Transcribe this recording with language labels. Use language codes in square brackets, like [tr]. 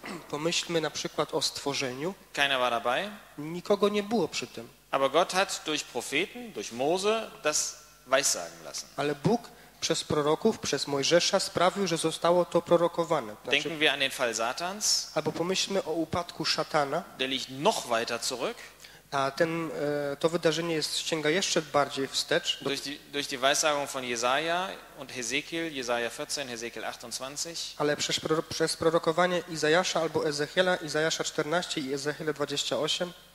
[pl] Pomyślmy na przykład o stworzeniu. [de] Keiner war dabei. [pl] Nikogo nie było przy tym. [de] Aber Gott hat durch Propheten, durch Mose das weissagen lassen. [pl] Ale Bóg przez proroków, przez Mojżesza sprawił, że zostało to prorokowane. Znaczy, [de] denken wir an den Fall Satans. [pl] Albo pomyślmy o upadku szatana. [de] Der liegt noch weiter zurück. [pl] A ten, to wydarzenie jest, sięga jeszcze bardziej wstecz. [de] Durch die Weissagung von Jesaja und Hezekiel, Jesaja 14, Hezekiel 28. [pl] Ale przez prorokowanie Izajasza albo Ezechiela, Izajasza 14 i Ezechiela 28.